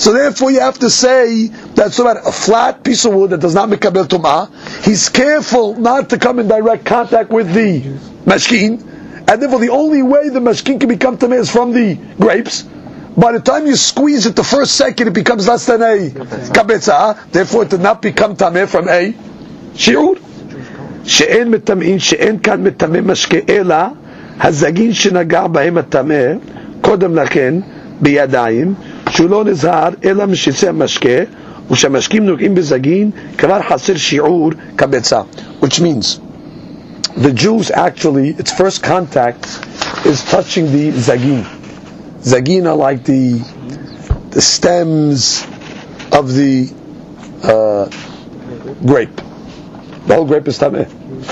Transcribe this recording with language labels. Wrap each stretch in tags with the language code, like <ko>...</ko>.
<en>So therefore you have to say that so that a flat piece of wood that does not make kabel tumah, he's careful not to come in direct contact with the mashkin, and therefore the only way the mashkin can become tameh is from the grapes. By the time you squeeze it the first second, it becomes less than a kabetza. Therefore it did not become tameh from a shiur.</en> <he>She'en mitamein, she'en kan mitameh mashke ela, הזגין שנגח בהם התמה קודם לכן בידיים שהוא לא נזהר אלא משיצי המשקה ושהמשקים נוגעים בזגין כבר חסר שיעור כבצה.</he> <en>Which means the juice actually its first contact is touching the zagin. Zagin are like the stems of the grape. The whole grape is tameh.</en>